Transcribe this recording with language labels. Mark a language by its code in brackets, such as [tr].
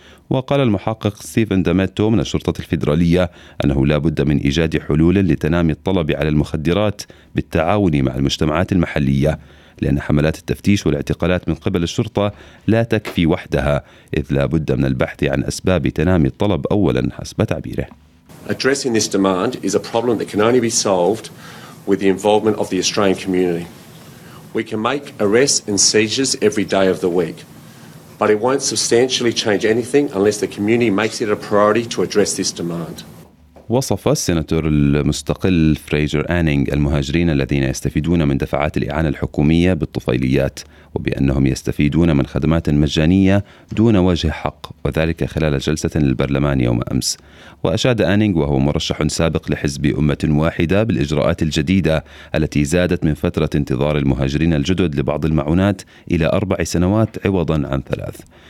[ar] وقال المحقق ستيفن داماتو من الشرطة الفيدرالية أنه لا بد من إيجاد حلول لتنامي الطلب على المخدرات بالتعاون مع المجتمعات المحلية، لأن حملات التفتيش والاعتقالات من قبل الشرطة لا تكفي وحدها، إذ لا بد من البحث عن أسباب تنامي الطلب أولا حسب تعبيره. [en] Addressing this demand is a problem that can only be solved with the involvement of the Australian community. We can make arrests and seizures every day of the week. But it won't substantially change anything unless the community makes it a priority to address this demand. [ar] وصف السيناتور المستقل فريجر آنينغ المهاجرين الذين يستفيدون من دفعات الإعانة الحكومية بالطفيليات، وبأنهم يستفيدون من خدمات مجانية دون وجه حق، وذلك خلال جلسة للبرلمان يوم أمس. وأشاد آنينغ وهو مرشح سابق لحزب أمة واحدة بالإجراءات الجديدة التي زادت من فترة انتظار المهاجرين الجدد لبعض المعونات إلى 4 سنوات عوضا عن 3.